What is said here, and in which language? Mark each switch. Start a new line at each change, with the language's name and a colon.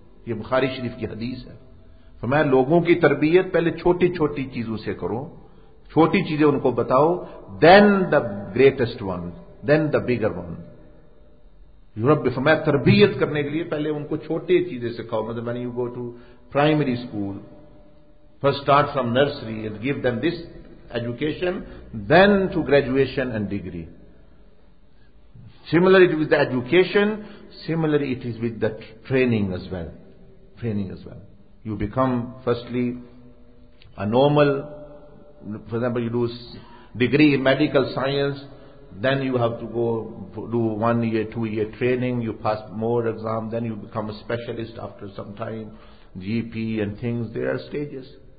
Urdu: یہ بخاری شریف کی حدیث ہے. تو میں لوگوں کی تربیت پہلے چھوٹی چھوٹی چیزوں سے کروں، چھوٹی چیزیں ان کو بتاؤ،
English: Then the greatest one, then the bigger one.
Urdu: Europe میں تربیت کرنے کے لیے پہلے ان کو چھوٹی چیزیں سکھاؤ، مطلب
English: When you go to primary school, first start from nursery and give them this education, then to graduation and degree. Similar it was the education, similar it is with the training as well. training as well. You become firstly a normal, for example, you do degree in medical science, then you have to go do 1 year, 2 year training, you pass more exam, then you become a specialist after some time, GP and things, there are stages.